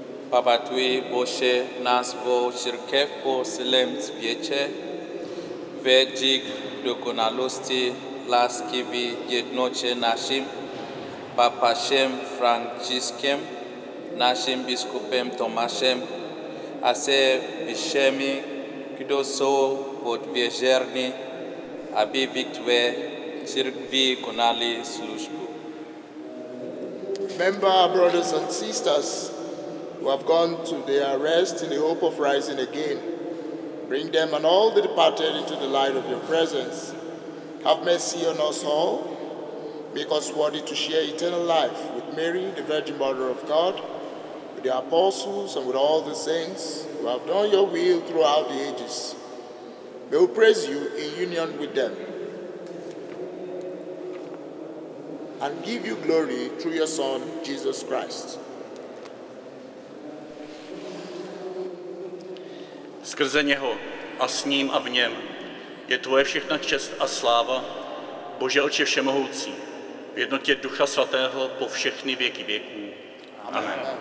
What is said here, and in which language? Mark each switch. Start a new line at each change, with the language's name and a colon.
Czech: Pamatuj, Bože, na svou církev po celém světě, vedi k dokonalosti láskyvý jednotě našim papašem Františkem, našim biskupem Tomášem a se všemi, kdo jsou podvěžerní, aby v tvé církvi konali službu.
English: Remember our brothers and sisters, who have gone to their rest in the hope of rising again. Bring them and all the departed into the light of your presence. Have mercy on us all. Make us worthy to share eternal life with Mary, the Virgin Mother of God, with the apostles and with all the saints who have done your will throughout the ages. May we praise you in union with them. And give you glory through your Son, Jesus Christ.
Czech: Skrze něho a s ním a v něm je tvoje všechna čest a sláva, Bože Otče všemohoucí, v jednotě Ducha Svatého po všechny věky věků. Amen.